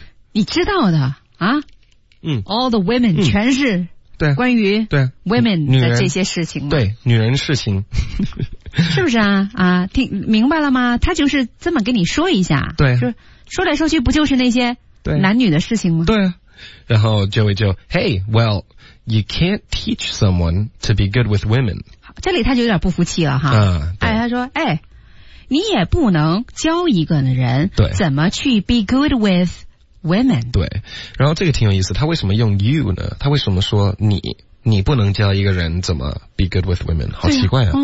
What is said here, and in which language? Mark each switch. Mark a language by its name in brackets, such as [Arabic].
[Chinese] 你知道的啊 [English] All the women, [Chinese] 全是关于 women 的这些事情。对女人事情。是不是啊听明白了吗他就是这么跟你说一下。对。说来说去不就是那些男女的事情吗对然后 Joey 就 [English] Hey, well, you can't teach someone to be good with women. [Chinese] 这里他就有点不服气了哈。对他说哎你也不能教一个人怎么去 [English] be good with women [Chinese] 对然后这个挺有意思他为什么用 you 呢他为什么说你不能教一个人怎么 [English] be good with women [Chinese] 好奇怪啊